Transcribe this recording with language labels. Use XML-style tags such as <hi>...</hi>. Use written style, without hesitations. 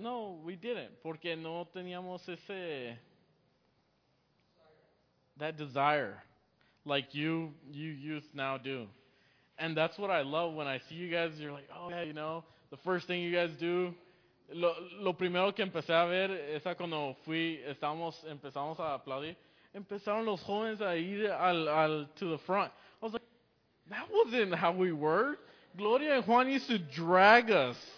<en>No, we didn't,</en> <es>porque no teníamos ese,</es> <en>that desire, like you youth now do. And that's what I love when I see you guys. You're like, oh, yeah, you know, the first thing you guys do.</en> <es>Lo primero que empecé a ver es cuando empezamos a aplaudir. Empezaron los jóvenes a ir</es> <en>to the front. I was like, that wasn't how we were. Gloria and Juan used to drag us.</en>